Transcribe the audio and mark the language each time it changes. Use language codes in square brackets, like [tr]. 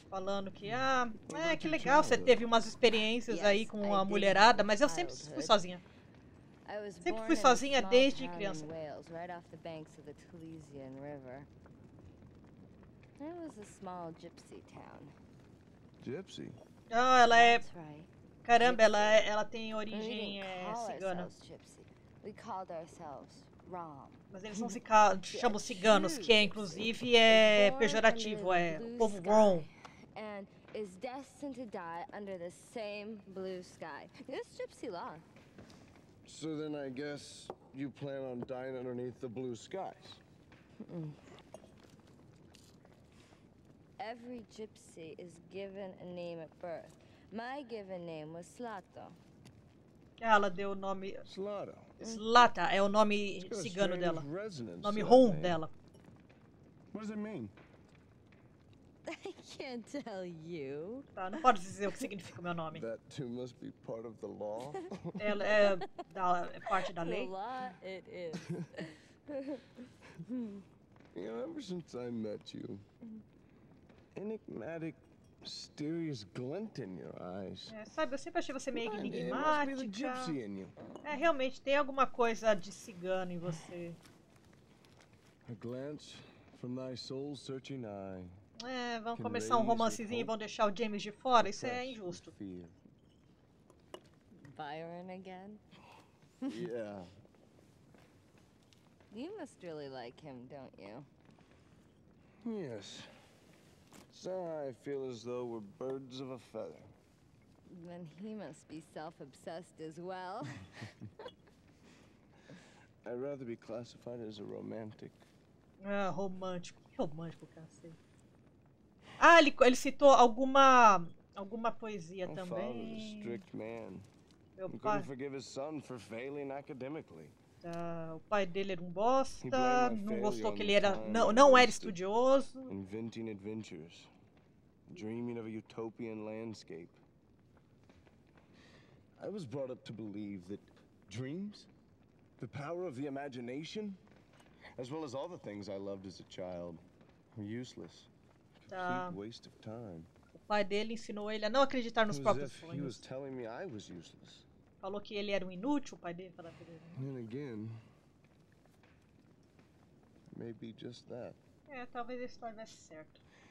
[pt] Falando que, ah, é que legal, você teve umas experiências aí com a mulherada, mas eu sempre fui sozinha. Sempre fui sozinha desde criança. [en] Wales, right off the banks of the Tulisian River. It was a small gypsy town. Gypsy? [pt] Ah, ela é... Caramba, ela tem origem cigana. [en] We called ourselves Rom. [pt] Mas eles não se chamam ciganos, que é, inclusive, é pejorativo, é o povo Rom. [en] And is destined to die under the same blue sky. This gypsy law. So then I guess you plan on dying underneath the blue skies. Every gypsy is given a name at birth. My given name was Slato. [pt] Ela deu o nome... Slato. Slata é o nome cigano dela. Nome Rom dela. [en] What does it mean? I can't tell you. [pt] Tá, não pode dizer o que significa meu nome. [en] That too must be part of the law. [pt] Ela é, é parte da lei. [en] The law it is. You know, ever since I met you, enigmatic, mysterious glint in your eyes. [pt] É, sabe, eu sempre achei você meio enigmática. É, realmente, tem alguma coisa de cigano em você. [en] A glance from thy soul searching eye. [pt] É, vamos começar um romancezinho e vão deixar o James de fora? Isso é injusto. [en] Byron again? Yeah. You must really like him, don't you? Yes. Somehow I feel as though we're birds of a feather. Then he must be self-obsessed as well. I'd rather be classified as a romantic. [pt] Ah, romântico. Que romântico, cacete. Ah, ele citou alguma poesia [en] My [pt] também. [en] My father's a strict man. [pt] Meu pai... [en] couldn't forgive his son for failing academically. [pt] O pai dele era um bosta, não gostou que ele era, não era estudioso. [en] Inventing adventures, dreaming of a utopian landscape. I was brought up to believe that dreams, the power of the imagination, as well as all the things I loved as a child, were useless, a complete waste of time. [pt] O pai dele ensinou ele a não acreditar nos próprios sonhos. [en] He was telling me I was useless. [pt] Falou que ele era um inútil, o pai dele falou que ele era. [en] And again, maybe just that. [pt] É, talvez isso tivesse certo.